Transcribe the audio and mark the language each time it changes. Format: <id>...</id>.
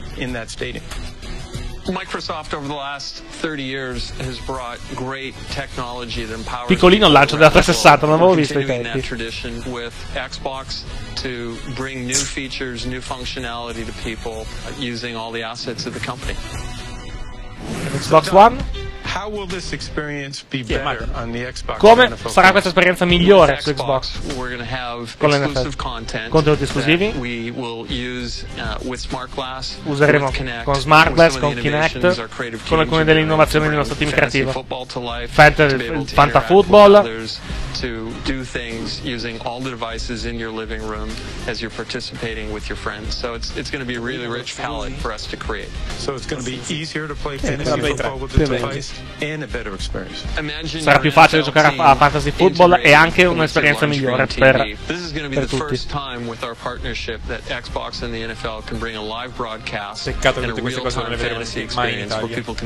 <en>Microsoft over the last 30 years has brought great technology that empowers.</en> <it>Piccolino il lancio della 360, non avevo visto i tempi.</it> <en>Tradition with Xbox to bring new features, new functionality to people using all the assets of the company. Xbox One. How will this experience be better on the Xbox?</en> <it>Come sarà questa esperienza migliore su Xbox?</it> <en>We're going to have exclusive content.</en> <it>Contenuti esclusivi.</it> <en>We will use with Smart Glass.</en> <it>Useremo con Smart Glass, con Kinect, con alcune delle innovazioni del nostro team creativo.</it> <en>Fanta Football. To do things using all the devices in your living room as you're participating with your friends. So it's going to be a really rich palette for us to create. So it's going to be easier to play fantasy football with the device. And a better experience.</en> <it>Sarà più facile giocare a fantasy football e anche un'esperienza migliore per tutti. Peccato che tutte queste cose non le vedremo mai in Italia.</it>